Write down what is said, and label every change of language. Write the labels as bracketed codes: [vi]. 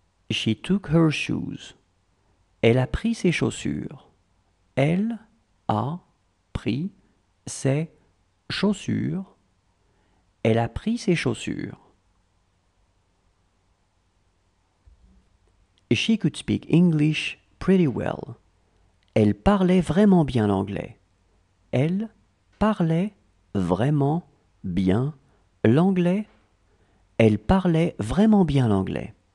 [en] She took her shoes. [fr] Elle a pris ses chaussures. Elle a pris ses chaussures. Elle a pris ses chaussures. [en] She could speak English pretty well. [fr] Elle parlait vraiment bien l'anglais. Elle parlait vraiment bien l'anglais. Elle parlait vraiment bien l'anglais.